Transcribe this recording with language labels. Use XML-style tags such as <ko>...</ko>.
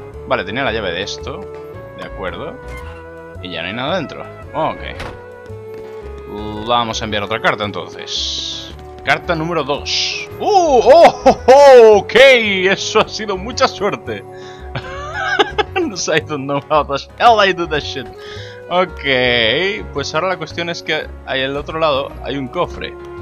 <es>Vale, tenía la llave de esto. De acuerdo. Y ya no hay nada dentro. Ok. Vamos a enviar otra carta, entonces. Carta número 2. Ok. Eso ha sido mucha suerte.</es> <en>I don't know how the hell I do that shit.</en> <es>Ok, pues ahora la cuestión es que ahí al otro lado hay un cofre.</es>